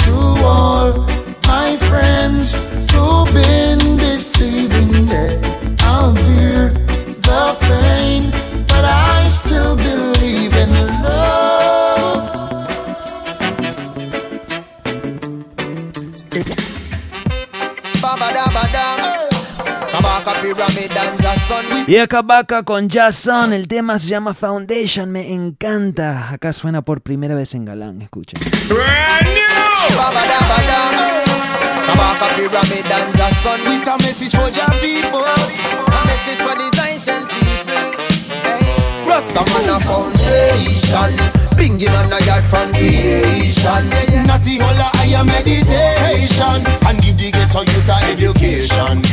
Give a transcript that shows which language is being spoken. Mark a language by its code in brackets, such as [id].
[en] To all my friends who've been deceiving, yeah, I'll bear the pain, but I still believe in love. Baba da ba da. Kabaka pyramid and Jason. [es] Y a Kabaka con Jason, el tema se llama Foundation, me encanta. Acá suena por primera vez en Galán, escuchen. [en] Brand new. Kabaka pyramid and Jason with a message for your people. A message for these ancient people. Rastaman a foundation, Bingy man a yard foundation. Natty holla a your meditation, and give the ghetto youth a education.